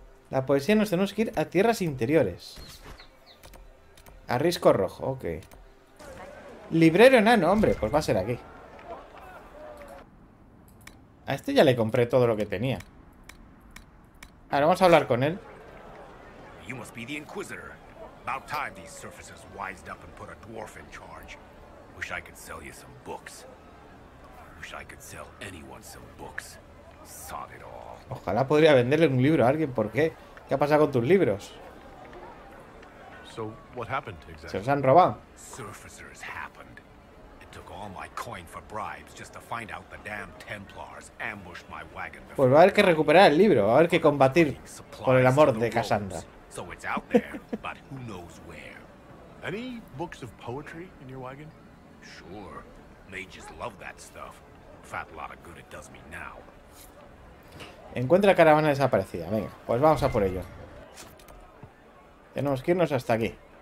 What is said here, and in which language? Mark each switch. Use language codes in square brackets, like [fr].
[es] La poesía, nos tenemos que ir a tierras interiores. A Risco Rojo, ok. Librero enano, hombre, pues va a ser aquí. A este ya le compré todo lo que tenía. Ahora vamos a hablar con él. [en] You must be the Inquisitor. About time these surfaces wised up and put a dwarf in charge. Wish I could sell you some books. Wish I could sell anyone some books. Sod it all. [es] Ojalá podría venderle un libro a alguien. ¿Por qué? ¿Qué ha pasado con tus libros? [en] So what happened exactly? [es] Se los han robado. [en] Surfacers happened. It took all my coin for bribes just to find out the damn Templars ambushed my wagon. [es] Pues va a haber que recuperar el libro, va a haber que combatir por el amor de Cassandra. [en] So it's out there, but who knows where? Any books of poetry in your wagon? Sure, mages love that stuff. Fat lot of good it does me now. [es] Encuentra caravana desaparecida. Venga, pues vamos a por ello. Tenemos que irnos hasta aquí.